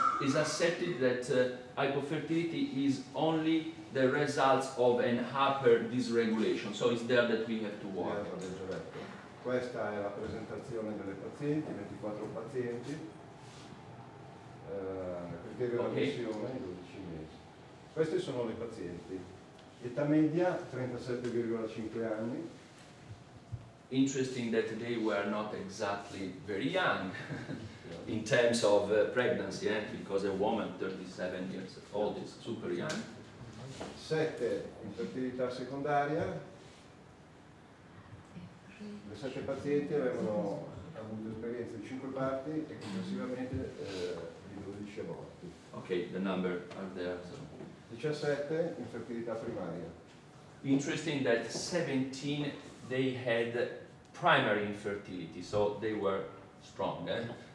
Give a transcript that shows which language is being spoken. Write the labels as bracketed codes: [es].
[en] It's accepted that hypofertility is only the result of an hyper dysregulation, so it's there that we have to work. [it] Questa è la presentazione delle pazienti, 24 pazienti, criterio di admissione, 12 mesi. Queste sono le pazienti. Età media 37,5 anni. [en] Interesting that they were not exactly very young in terms of pregnancy, because a woman 37 years old is super young. [it] 7 infertilità secondaria. Le 7 pazienti avevano avuto esperienze di 5 parti e complessivamente di 12 aborti. [en] Ok, the number are there. So. [it] 17 infertilità primaria. [en] Interesting that 17 they had primary infertility, so they were strong, eh?